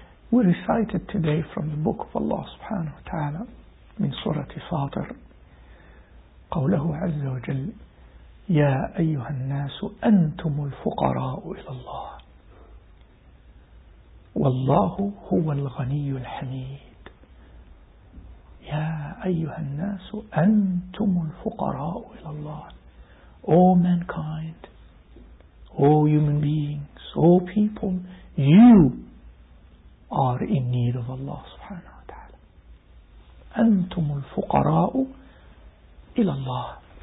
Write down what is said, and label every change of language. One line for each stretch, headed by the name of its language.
English: We recited today from the book of Allah subhanahu wa ta'ala,
Arabic: min surati Fatir, قوله عز وجل يا أيها الناس أنتم الفقراء إلى الله والله هو الغني الحميد. يا أيها الناس أنتم الفقراء إلى الله.
English: O mankind, O human beings, O people, you are in need of Allah subhanahu wa ta'ala.
Arabic: أنتم الفقراء إلى الله.